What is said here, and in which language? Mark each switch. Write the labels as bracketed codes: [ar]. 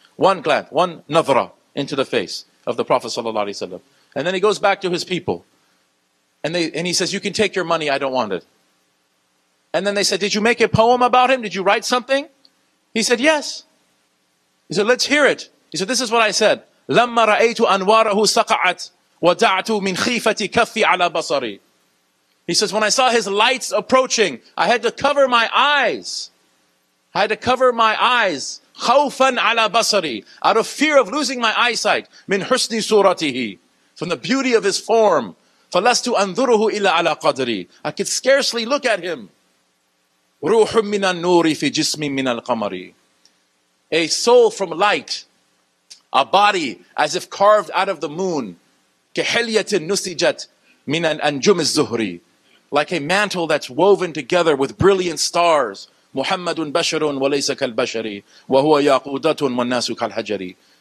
[en] One glance, one nazra into the face of the Prophet sallallahu alaihi wasallam. And then he goes back to his people. And he says, "You can take your money, I don't want it." And then they said, "Did you make a poem about him? Did you write something?" He said, "Yes." He said, "Let's hear it." He said, "This is what I said. [ar] لما رأيت أنواره سقعت ودعت من خيفتي كفي على بصري." [en] He says, "When I saw his lights approaching, I had to cover my eyes. I had to cover my eyes. [ar] خوفا على بصري. [en] Out of fear of losing my eyesight. [ar] من حسن صورته. [en] From the beauty of his form. [ar] فلست أنظره إلا على قدري. [en] I could scarcely look at him. [ar] روح من النور في جسم من القمر. [en] A soul from light. A body as if carved out of the moon. [ar] كَحِلْيَةٍ نُسِجَتْ مِنَ الْأَنْجُمِ الزُّهْرِ. [en] Like a mantle that's woven together with brilliant stars. [ar] مُحَمَّدٌ بَشَرٌ وَلَيْسَ كَالْبَشَرِ وَهُوَ يَاقُودَةٌ وَالنَّاسُ كَالْحَجَرِ.